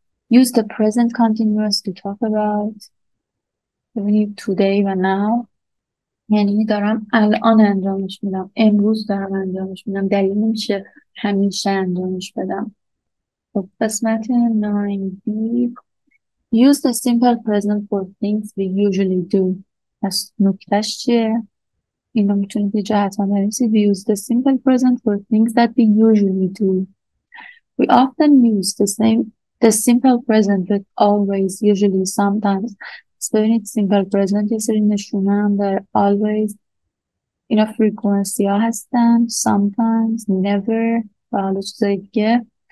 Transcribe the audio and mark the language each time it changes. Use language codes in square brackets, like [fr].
[en] Use the present continuous to talk about. [fa] ببینید today و now یعنی دارم الان انجامش میدم، امروز دارم انجامش میدم، دلیل نمیشه همیشه انجامش بدم. خب قسمت 9B. [en] Use the simple present for things we usually do. [fa] پس نکتش چیه؟ اینو میتونید یه جهت ها نویسید. [en] Use the simple present for things that we usually do. We often use the simple present with always, usually, sometimes. [fa] ببینید simple present یه سری نشونه هم داره، always، اینا frequency ها هستن، sometimes، never و حالا چیزای دیگه.